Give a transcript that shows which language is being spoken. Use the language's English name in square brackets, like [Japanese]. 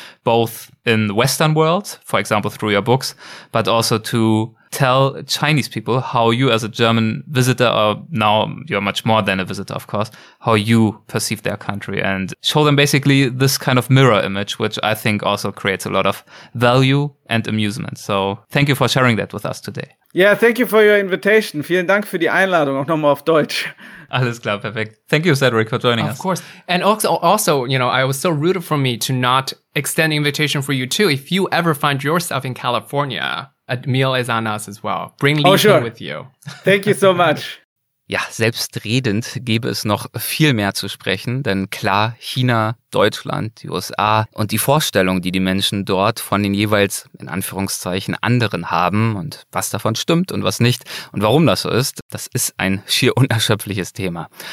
[English] both in the Western world, for example, through your books, but also to tell Chinese people how you as a German visitor, or now you're much more than a visitor, of course, how you perceive their country and show them basically this kind of mirror image, which I think also creates a lot of value and amusement. So thank you for sharing that with us today. Yeah, thank you for your invitation. [German] Vielen Dank für die Einladung, auch nochmal auf Deutsch. Alles klar, perfekt. [English] Thank you, Cedric, for joining of us. Of course. And also, you know, I was so rude for me to not extend the invitation for you too. If you ever find yourself in California, a meal is on us as well. Bring Li sure. with you. Thank you so much. [German] Ja, selbstredend gäbe es noch viel mehr zu sprechen, denn klar, China, Deutschland, die USA und die Vorstellung, die die Menschen dort von den jeweils, in Anführungszeichen, anderen haben und was davon stimmt und was nicht und warum das so ist, das ist ein schier unerschöpfliches Thema.